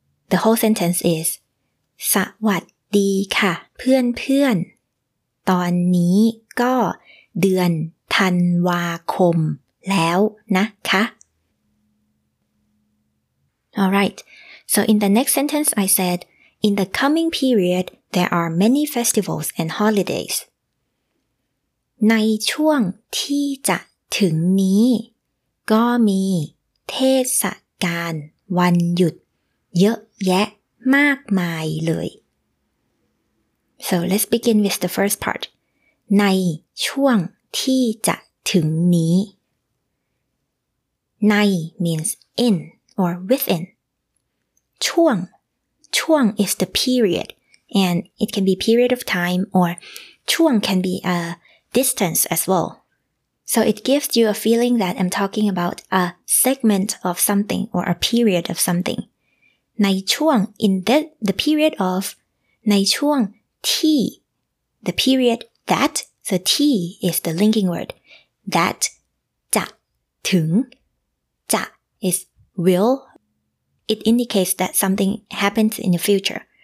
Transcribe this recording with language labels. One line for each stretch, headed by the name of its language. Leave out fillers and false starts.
English: The whole sentence is
Thai: สวัสดีค่ะเพื่อนเพื่อนตอนนี้ก็เดือนธันวาคมแล้วนะคะ
English: Alright, so in the next sentence I said In the coming period there are many festivals and holidays.
Thai: ในช่วงที่จะถึงนี้ก็มีเทศกาลวันหยุดเยอะแยะมากมายเลย
English: So let's begin with the first part
Thai: ในช่วงที่จะถึงนี้ใน
English: means in or within
Thai: ช่วง
English: is the period and it can be period of time or ช่วง can be a distance as wellSo it gives you a feeling that I'm talking about a segment of something or a period of something. ในช่วง in the period of
Thai: ในช่วงที่
English: the period that so ที is the linking word that
Thai: จะถึงจะ
English: is will it indicates that something happens in the future.